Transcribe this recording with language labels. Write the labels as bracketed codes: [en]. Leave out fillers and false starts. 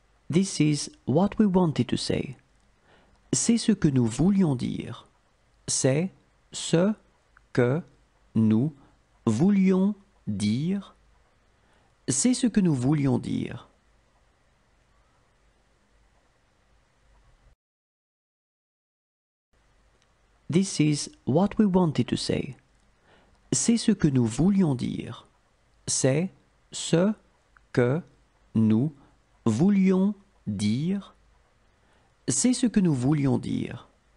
[en] This is what we wanted to say. [fr] C'est ce que nous voulions dire. C'est ce que nous voulions dire. C'est ce que nous voulions dire. [en] This is what we wanted to say. [fr] C'est ce que nous voulions dire. C'est ce que nous voulions dire. C'est ce que nous voulions dire.